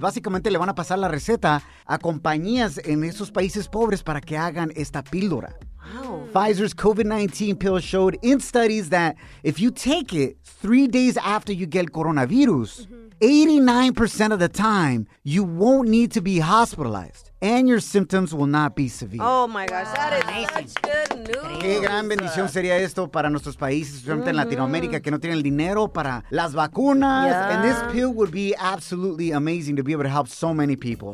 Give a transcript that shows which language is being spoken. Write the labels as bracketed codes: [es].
[es] Básicamente le van a pasar la receta a compañías en esos países pobres para que hagan esta píldora. [en] Wow. Pfizer's COVID-19 pill showed in studies that if you take it 3 days after you get coronavirus, 89% of the time, you won't need to be hospitalized and your symptoms will not be severe. Oh my gosh, that is amazing. Such good news. [es] Qué gran bendición sería esto para nuestros países, especialmente en Latinoamérica, que no tienen el dinero para las vacunas. [en] Yeah. And this pill would be absolutely amazing to be able to help so many people.